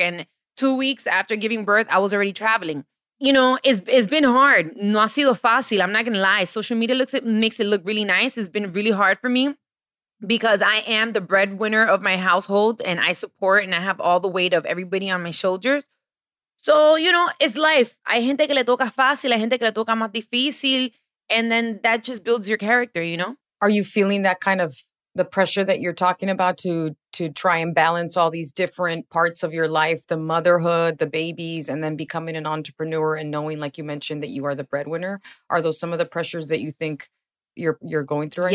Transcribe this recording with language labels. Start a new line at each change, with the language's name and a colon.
English: And 2 weeks after giving birth, I was already traveling. It's been hard.
Spanish: No ha sido fácil.
English: I'm not going to lie. Social media makes it look really nice. It's been really hard for me because I am the breadwinner of my household and I support and I have all the weight of everybody on my shoulders. So, it's life.
Spanish: Hay gente que le toca fácil. Hay gente que le toca más difícil.
English: And then that just builds your character, Are you feeling that kind of the pressure that you're talking about to try and balance all these different parts of your life, the motherhood, the babies, and then becoming an entrepreneur and knowing, like you mentioned, that you are the breadwinner? Are those some of the pressures that you think you're going through right